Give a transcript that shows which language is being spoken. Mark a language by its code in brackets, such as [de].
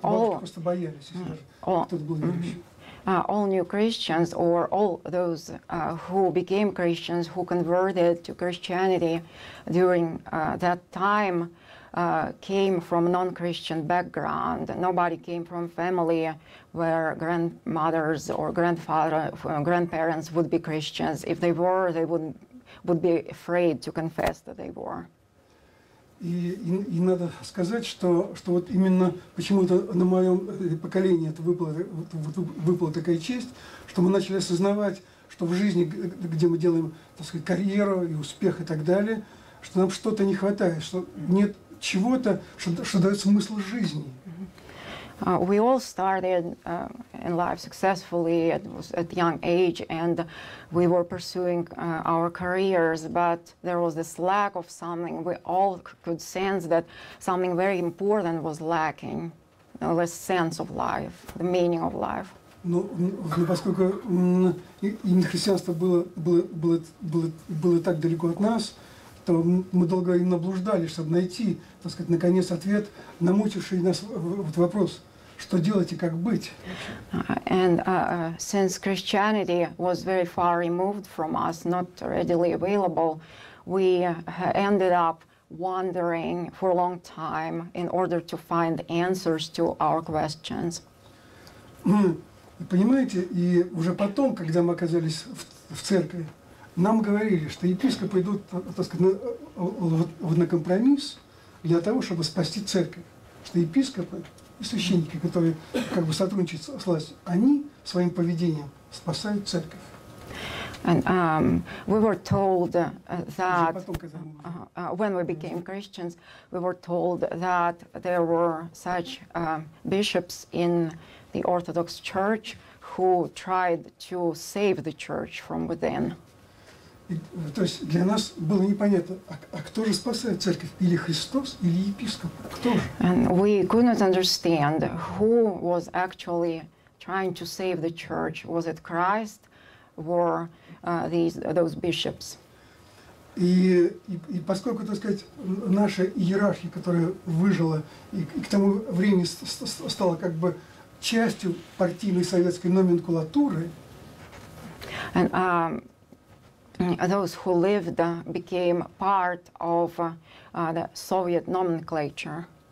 [ru] Бабушки просто боялись, если кто-то был верующим. [en] All new Christians, or all those who became Christians, who converted to Christianity during that time, came from non-Christian background. Nobody came from family where grandmothers or grandparents would be Christians. If they were, they would be afraid to confess that they were. [ru] И надо сказать, что вот именно почему-то на моем поколении это выпала такая честь, что мы начали осознавать, что в жизни, где мы делаем, так сказать, карьеру и успех и так далее, что нам что-то не хватает, что нет чего-то, что дает смысл жизни. [en] We all started in life successfully at young age, and we were pursuing our careers, but there was this lack of something. We all could sense that something very important was lacking, this sense of life, the meaning of life. [ru] Но поскольку именно христианство было так далеко от нас, то мы долго и наблуждали, чтобы найти, так сказать, наконец ответ на мучивший нас вот вопрос. Что делать и как быть? [en] And since Christianity was very far removed from us, not readily available, we ended up wandering for a long time in order to find answers to our questions. [ru] Понимаете, и уже потом, когда мы оказались в церкви, нам говорили, что епископы идут, так сказать, на компромисс для того, чтобы спасти церковь, что епископы и священники, которые как бы сотрудничают с властью, они своим поведением спасают церковь. [en] And we were told that when we became Christians, we were told that there were such bishops in the Orthodox Church who tried to save the church from within. [ru] То есть для нас было непонятно, а кто же спасает церковь? Или Христос, или епископ? Кто же? [en] And we could not understand who was actually trying to save the church. Was it Christ or those bishops? [ru] И поскольку, так сказать, наша иерархия, которая выжила и к тому времени стала как бы частью партийной советской номенклатуры, [en] and, those who lived became part of the Soviet nomenclature.